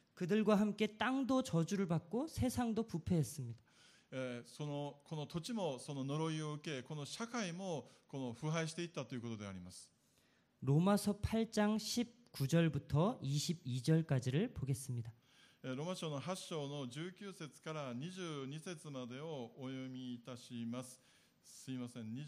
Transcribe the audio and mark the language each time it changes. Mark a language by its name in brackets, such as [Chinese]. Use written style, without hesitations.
[Korean] 그들과 함께 땅도 저주를 받고 세상도 부패했습니다. [Japanese] この土地もその呪いを受け、この社会もこの腐敗していったということであります。 [Korean] 로마서 8장 19절부터 22절까지를 보겠습니다. 로마서 8장 19절부터 22절까지를 보겠습니다.